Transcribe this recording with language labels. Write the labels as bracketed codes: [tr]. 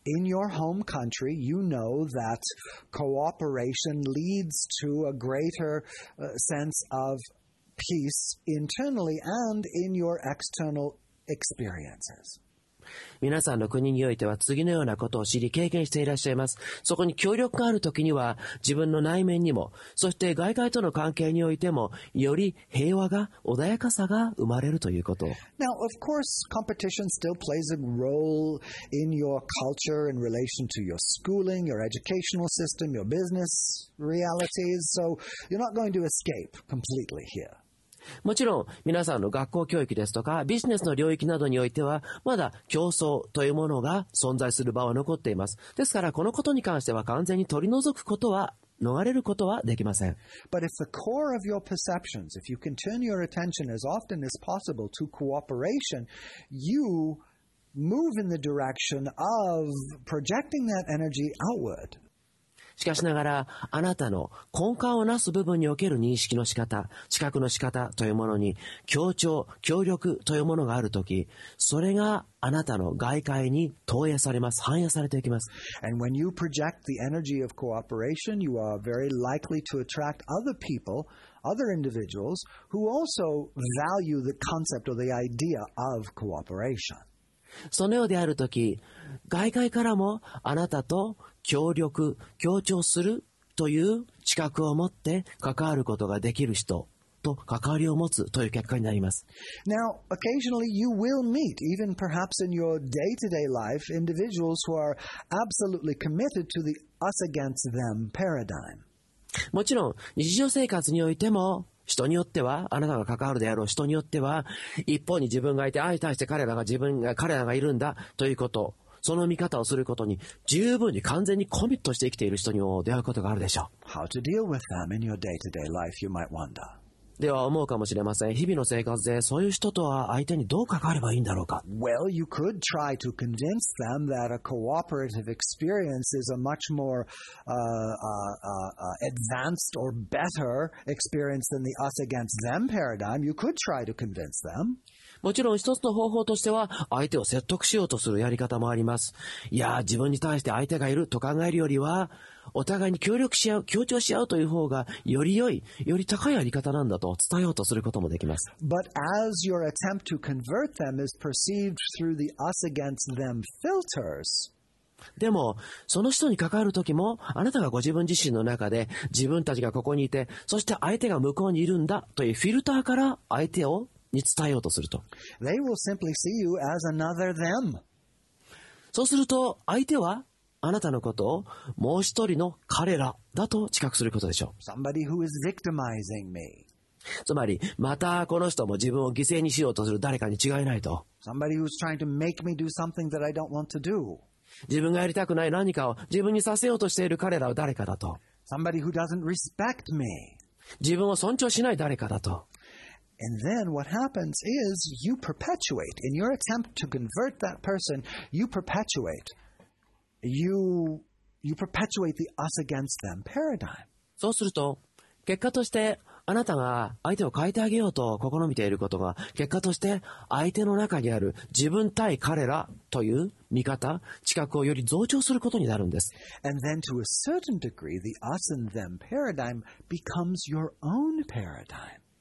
[en] In your home country, you know that cooperation leads to a greater sense of peace internally and in your external experiences. [ja] 皆さんの国においては次のようなことを知り経験していらっしゃいます。そこに協力があるときには、自分の内面にも、そして外界との関係においても、より平和が、穏やかさが生まれるということ。 [en] Now, of course, competition still plays a role in your culture in relation to your schooling, your educational system, your business realities. So you're not going to escape completely here. [ja] もちろん皆さんの学校教育ですとかビジネスの領域などにおいては、まだ競争というものが存在する場は残っています。ですから、このことに関しては完全に取り除くことは、逃れることはできません。 [en] But if the core of your perceptions, if you can turn your attention as often as possible to cooperation, you move in the direction of projecting that energy outward. [ja] しかしながら、あなたの根幹をなす部分における認識の仕方、知覚の仕方というものに協調、協力というものがあるとき、それがあなたの外界に投影されます、反映されていきます。 [en] And when you project the energy of cooperation, you are very likely to attract other people, other individuals, who also value the concept or the idea of cooperation. [ja] そのようであるとき、外界からもあなたと協力、協調するという知覚を持って関わることができる人と関わりを持つという結果になります。 [en] Now, occasionally you will meet, even perhaps in your day-to-day life, individuals who are absolutely committed to the us against them paradigm. [ja] もちろん、日常生活においても、人によっては、あなたが関わるであろう人によっては、一方に自分がいて、相対して彼らがいるんだということ。その見方をすることに十分に完全にコミットして生きている人にも出会うことがあるでしょう。では思うかもしれません。日々の生活でそういう人とは相手にどう関わればいいんだろうか。 [en] Well, you could try to convince them that a cooperative experience is a much more advanced or better experience than the us against them paradigm. You could try to convince them. [ja] もちろん一つの方法としては相手を説得しようとするやり方もあります。いや、自分に対して相手がいると考えるよりは、お互いに協力し合う、協調し合うという方がより良い、より高いやり方なんだと伝えようとすることもできます。 [en] But as your attempt to convert them is perceived through the us against them filters, [ja] でもその人に関わる時もあなたがご自分自身の中で自分たちがここにいて、そして相手が向こうにいるんだというフィルターから相手をに伝えようとすると。 [en] They will simply see you as another them. [ja] そうすると相手はあなたのことをもう一人の彼らだと知覚することでしょう。 [en] Somebody who is victimizing me. [ja] つまりまたこの人も自分を犠牲にしようとする誰かに違いないと。 [en] Somebody who is trying to make me do something that I don't want to do. [ja] 自分がやりたくない何かを自分にさせようとしている彼らは誰かだと。 [en] Somebody who doesn't respect me. [ja] 自分を尊重しない誰かだと。 [en] And then what happens is you perpetuate, in your attempt to convert that person, you perpetuate the us against them paradigm. [ja] そうすると、結果としてあなたが相手を変えてあげようと試みていることが、結果として相手の中にある自分対彼らという見方、知覚をより増長することになるんです。 [en] And then to a certain degree, the us and them paradigm becomes your own paradigm.